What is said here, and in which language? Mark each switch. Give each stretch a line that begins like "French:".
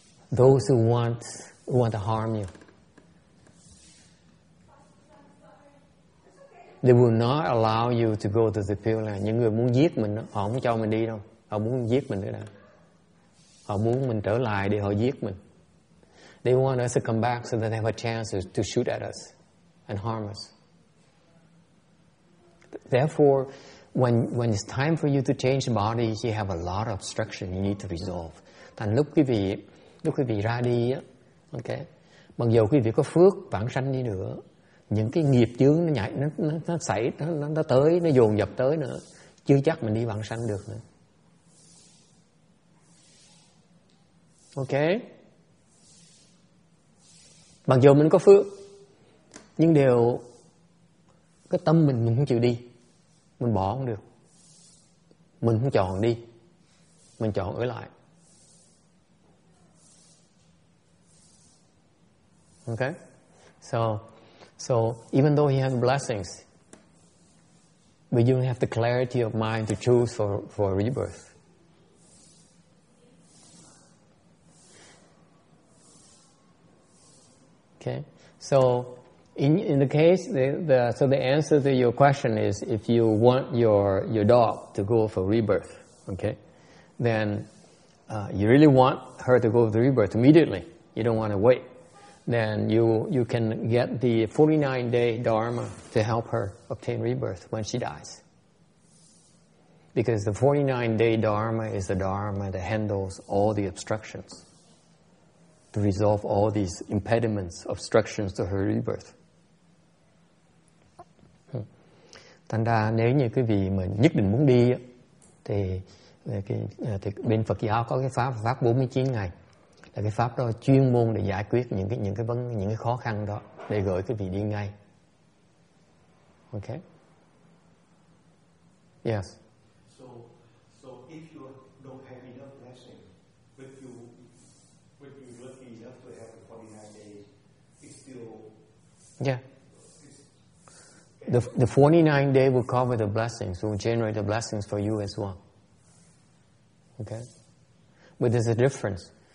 English: Those who want to harm you, they will not allow you to go to the Pure Land.
Vietnamese: Những người muốn giết mình, họ không cho mình đi đâu. Họ muốn giết mình nữa đã. Họ muốn mình trở lại để họ giết mình.
English: They want us to come back so that they have a chance to shoot at us and harm us. Therefore, when it's time for you to change body, you have a lot of obstruction you need to resolve.
Vietnamese: Thành lúc quý vị ra đi, okay, mặc dù quý vị có phước vãng sanh đi nữa, những cái nghiệp chướng nó xảy, nó tới, nó dồn dập tới nữa, chưa chắc mình đi vãng sanh được nữa.
English: Okay.
Vietnamese: Mặc dù mình có phước, nhưng đều cái tâm mình không chịu đi, mình bỏ không được, mình không chọn đi, mình chọn ở lại.
English: Okay, so even though he has blessings, but you don't have the clarity of mind to choose for rebirth. Okay, so in the case the answer to your question is, if you want your dog to go for rebirth, okay, then you really want her to go for the rebirth immediately. You don't want to wait. Then you can get the 49-day dharma to help her obtain rebirth when she dies. Because the 49-day dharma is the dharma that handles all the obstructions, to resolve all these impediments, obstructions to her rebirth.
Vietnamese: Thành ra nếu như quý vị mà nhất định muốn đi thì bên Phật giáo có cái pháp 49 ngày. Là cái pháp đó chuyên môn để giải quyết những cái khó khăn đó, để gửi quý vị đi ngay.
English: Okay. Yes. So if you don't have enough blessing, but you lucky enough to have 49 days, it's still. Yeah. The 49 day will cover the blessings, will generate the blessings for you as well. Okay. But there's a difference.